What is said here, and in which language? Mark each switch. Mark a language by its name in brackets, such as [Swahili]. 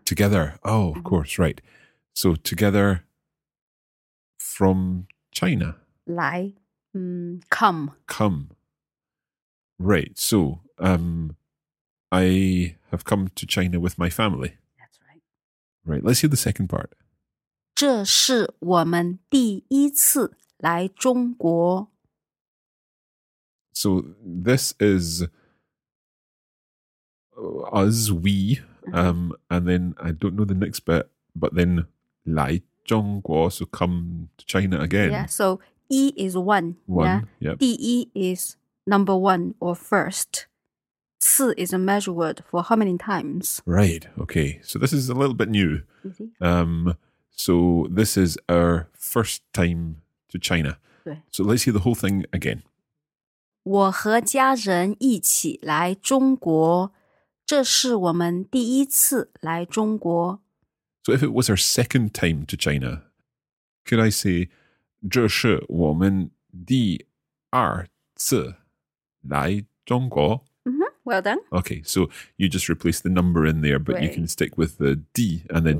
[English] Together. Oh, of course, right. So together from China. 来, come. Come. Right, so... I have come to China with my family. That's right. Right, let's hear the second part. [Chinese] 这是我们第一次来中国。 [English] So this is us, we, and then I don't know the next bit, but then [Chinese] 来中国, [English] so come to China again. Yeah, so 一 is one. One, yeah. 第一 is number one or first. 次 is a measure word for how many times. Right, okay. So this is a little bit new. So this is our first time to China. So let's hear the whole thing again. [Chinese] 我和家人一起来中国。这是我们第一次来中国。 [English] So if it was our second time to China, could I say, [Chinese] 这是我们第二次来中国。 [English] Well done. Okay, so you just replace the number in there, but you can stick with the D and then